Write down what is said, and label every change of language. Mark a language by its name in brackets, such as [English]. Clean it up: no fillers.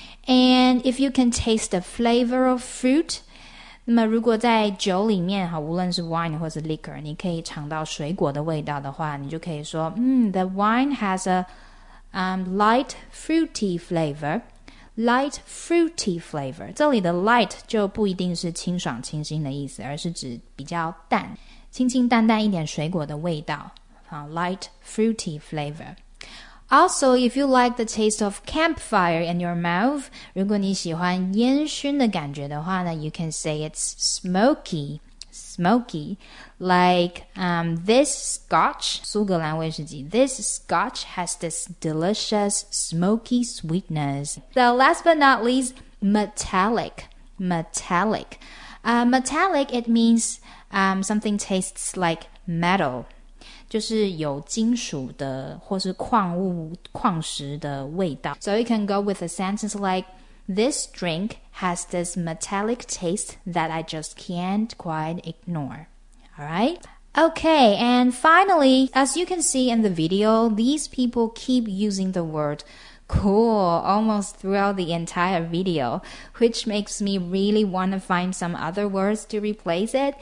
[English] And if you can taste the flavor of fruit, [Chinese] 那么如果在酒里面，无论是 wine 或是 liquor, 你可以尝到水果的味道的话，你就可以说 [English] the wine has a light fruity flavor. Light fruity flavor. [Chinese] 这里的 light 就不一定是清爽清新的意思，而是指比较淡，清清淡淡一点水果的味道。 [English] Light fruity flavor. Also, if you like the taste of campfire in your mouth, [Chinese] 如果你喜欢烟熏的感觉的话呢 [English] you can say it's smoky, like this scotch, [Chinese] 苏格兰威士忌 [English] this scotch has this delicious smoky sweetness. So last but not least, metallic. Metallic, it means something tastes like metal. [Chinese] 就是有金属的或是矿物矿石的味道。 [English] So you can go with a sentence like, this drink has this metallic taste that I just can't quite ignore. Alright? Okay, and finally, as you can see in the video, these people keep using the word cool almost throughout the entire video, which makes me really want to find some other words to replace it.